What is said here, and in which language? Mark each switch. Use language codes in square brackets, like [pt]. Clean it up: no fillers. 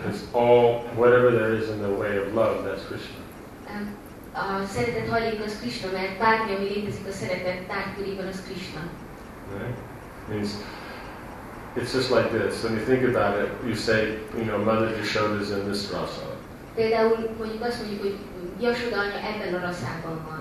[en] It's all, whatever there is in the way of love, that's Krishna. [hu] A szeretet hajléka az Krishna, mert bármi, ami létezik a szeretet tárgyában, az Krishna. [en] Right? Means it's just like this. When you think about it, you say, you know, Mother Yashoda is in this rasa. [hu] Például mondjuk azt mondjuk, hogy Yashoda anya ebben a raszában van.